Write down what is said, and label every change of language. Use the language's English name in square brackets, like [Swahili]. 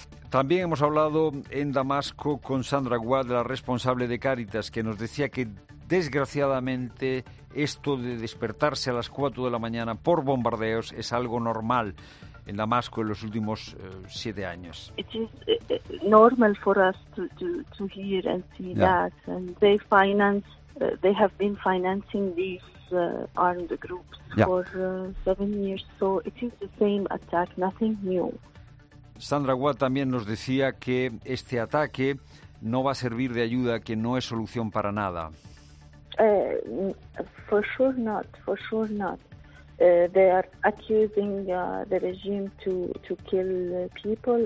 [Spanish] También hemos hablado en Damasco con Sandra Guad, la responsable de Cáritas, que nos decía que desgraciadamente esto de despertarse a las 4 de la mañana por bombardeos es algo normal en Damasco en los últimos 7 años. [English] It is normal for us to hear and see that, and they finance, they have been financing these armed groups for 7 years, so it is the same attack, nothing new. [Spanish] Sandra Guad también nos decía que este ataque no va a servir de ayuda, que no es solución para nada. [English] For sure not. They are accusing the regime to kill people.